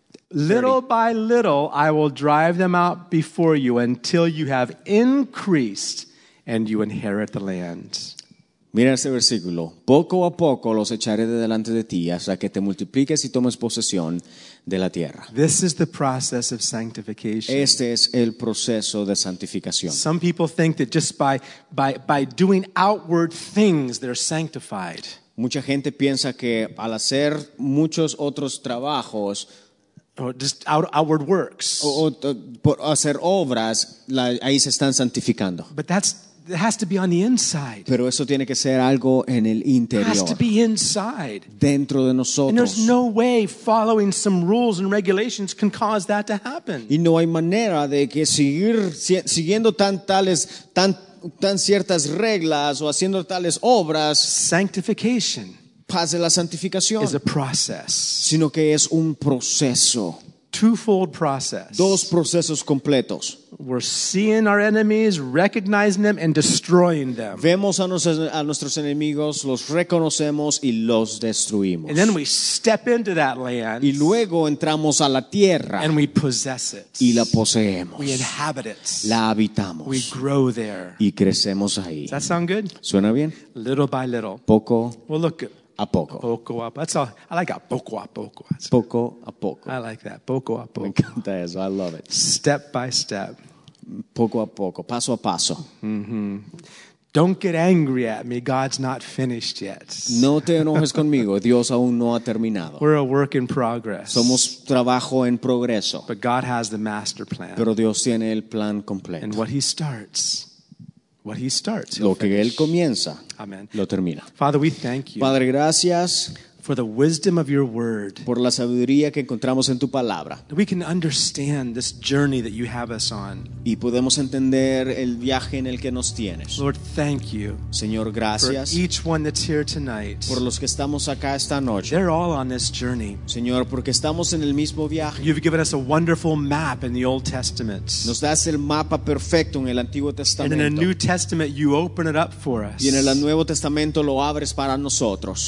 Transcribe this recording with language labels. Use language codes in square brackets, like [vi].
[en] Little by little, I will drive them out before you until you have increased and you inherit the land. [es] Mira ese versículo. Poco a poco los echaré de delante de ti hasta que te multipliques y tomes posesión de la tierra. [en] This is the process of sanctification. [es] Este es el proceso de santificación. [en] Some people think that just by doing outward things they're sanctified. [es] Mucha gente piensa que al hacer muchos otros trabajos [en] or just outward works [es] por hacer obras ahí se están santificando. [en] But that's it has to be on the inside. [es] Pero eso tiene que ser algo en el interior. [en] It has to be inside. [es] Dentro de nosotros. [en] And there's no way following some rules and regulations can cause that to happen. [es] Y no hay manera de que siguiendo tan ciertas reglas o haciendo tales obras. [en] Sanctification. [es] Pase la santificación. [en] Is a process. [es] Sino que es un proceso. [en] Twofold process. [es] Dos procesos completos. [en] We're seeing our enemies, recognizing them, and destroying them. [es] Vemos a nuestros enemigos, los reconocemos y los destruimos. [en] And then we step into that land. [es] Y luego entramos a la tierra. [en] And we possess it. [es] Y la poseemos. [en] We inhabit it. [es] La habitamos. [en] We grow there. [es] Y crecemos ahí. [en] Does that sound good? [es] ¿Suena bien? [en] Little by little. [es] Poco. [en] Well, look good. [es] A poco. Poco a poco. [en] I like [es] a poco a poco. [en] That's [es] poco a poco. [en] I like that. [es] Poco a poco. Me encanta eso. [en] I love it. Step by step. [es] Poco a poco. Paso a paso. [en] Mm-hmm. Don't get angry at me. God's not finished yet. [es] No te enojes conmigo. Dios aún no ha terminado. [en] We're a work in progress. [es] Somos trabajo en progreso. [en] But God has the master plan. [es] Pero Dios tiene el plan completo. [en] And what he starts... What he starts, [es] lo que él comienza, amen, lo termina. [en] Father, we thank you. [es] Padre, gracias [en] for the wisdom of your word. [es] Por la sabiduría que encontramos en tu palabra. [en] We can understand this journey that you have us on. [es] Y podemos entender el viaje en el que nos tienes. [en] Lord, thank you. [es] Señor, gracias. [en] For each one that's here tonight. [es] Por los que estamos acá esta noche. [en] They're all on this journey. [es] Señor, porque estamos en el mismo viaje. [en] You've given us a wonderful map in the Old Testament. [es] Nos das el mapa perfecto en el Antiguo Testamento. [en] And in the New Testament, you open it up for us. [es] Y en el Nuevo Testamento lo abres para nosotros.